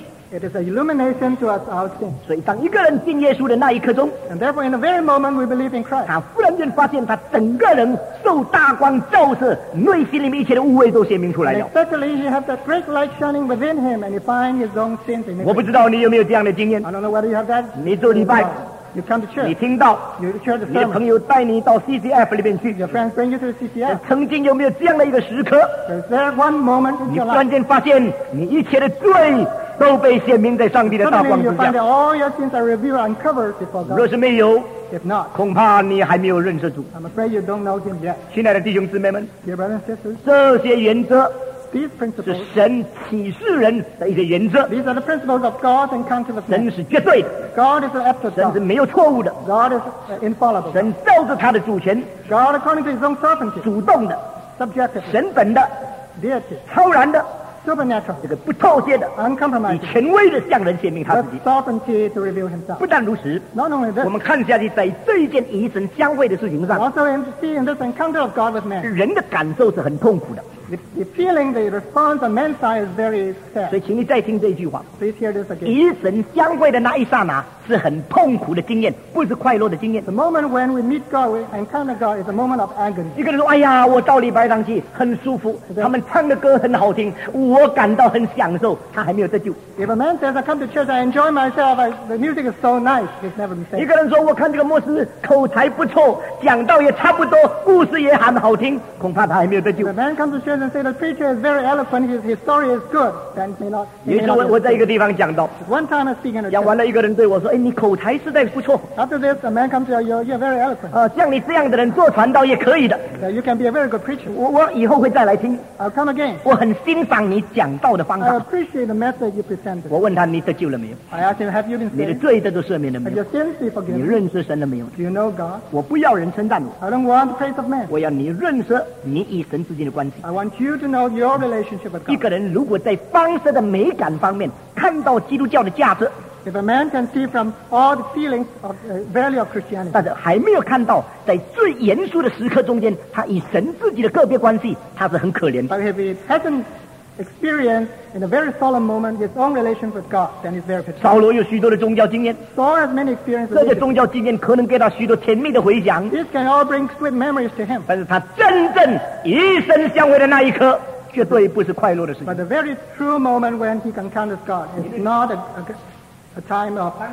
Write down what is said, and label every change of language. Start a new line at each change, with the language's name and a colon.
English: It is an illumination to us our sin.
Chinese: 所以当一个人信耶稣的那一刻中，
English: and therefore in the very moment we believe in Christ,
Chinese: 他忽然间发现他整个人受大光照射，内心里面一切的污秽都显明出来了。
English: Especially he has that great light shining within him, and he finds his own sins in
Chinese: him. 我不知道你有没有这样的经验。
English: I don't know whether you have that.
Chinese: 你做礼拜。
English: You come to church.
Chinese: 你听到
English: you hear the sermon.
Chinese: 你的朋友带你到 CCF 里面去。
English: Your friends bring you to the CCF.
Chinese: 曾经有没有这样的一个时刻？
English: Is there one moment in your life?
Chinese: 你瞬间发现你一切的罪都被显明在上帝的大光之下。
English: Suddenly you find that all your sins are revealed and uncovered before God.
Chinese: 若是没有，
English: if not,
Chinese: 恐怕你还没有认识主。
English: I'm afraid you don't know him yet.
Chinese: 亲爱的弟兄姊妹们，
English: dear brothers and sisters,
Chinese: 这些原则。
English: These principles,
Chinese: 是神启示人的一些原则。
English: These are the principles of God and counsel.
Chinese: 神是绝对的。
English: God is absolute.
Chinese: 神是没有错误的。
English: God is infallible.
Chinese: 神照着他的主权。
English: God according to his own sovereignty.
Chinese: 主动的。
English: Subjective.
Chinese: 神本的。
English: Deity.
Chinese: 超然的。
English: Supernatural.
Chinese: 这个不妥协的。
English: Uncompromising.
Chinese: 以权威的向人显明他自己。
English: With sovereignty to reveal himself.
Chinese: 不但如此。
English: Not only this.
Chinese: 我们看下去，在这一件与神相会的事情上。
English: Also, in seeing this encounter of God with man.
Chinese: 人的感受是很痛苦的。
English: the feeling, the response on man's side is very sad.
Chinese: 所以请你再听这句话。
English: Please hear this again.
Chinese: 与神相会的那一刹那是很痛苦的经验，不是快乐的经验。
English: The moment when we meet God, we encounter God, is a moment of agony.
Chinese: 一个人说，哎呀，我到礼拜堂去很舒服，他们唱的歌很好听，我感到很享受，他还没有得救。
English: If a man says, I come to church, I enjoy myself, the music is so nice, he's never been saved.
Chinese: 一个人说，我看这个牧师口才不错，讲道也差不多，故事也很好听，恐怕他还没有得救。
English: The man comes to church and says, the preacher is very eloquent, his story is good, then may not.
Chinese: 于是我在一个地方讲道。
English: One time I speak in a church.
Chinese: 讲完了，一个人对我说，哎，你口才实在不错。
English: After this, a man comes to you're very eloquent.
Chinese: 像你这样的人做传道也可以的。
English: You can be a very good preacher.
Chinese: 我以后会再来听。
English: I'll come again.
Chinese: 我很欣赏你讲道的方法。
English: I appreciate the method you presented.
Chinese: 我问他，你得救了没有？
English: I ask him, have you been saved?
Chinese: 你的罪得到赦免了没有？
English: Have your sins been forgiven?
Chinese: 你认识神了没有？
English: Do you know God?
Chinese: 我不要人称赞我。
English: I don't want the praise of man.
Chinese: 我要你认识你与神之间的关系。
English: I want you to know your relationship with God.
Chinese: 一个人如果在方式的美感方面看到基督教的价值。
English: If a man can see from all the feelings of the value of Christianity,
Chinese: 但是还没有看到在最严肃的时刻中间，他与神自己的个别关系，他是很可怜的。
English: But if he hasn't experienced in a very solemn moment his own relation with God, then he's very pitiful.
Chinese: 扫罗有许多的宗教经验。
English: Saul has many experiences.
Chinese: 这些宗教经验可能给他许多甜蜜的回响。
English: This can all bring sweet memories to him.
Chinese: 但是他真正与神相会的那一刻。绝对不是快乐的事情。
English: But the very true moment when he can count as God is not a time of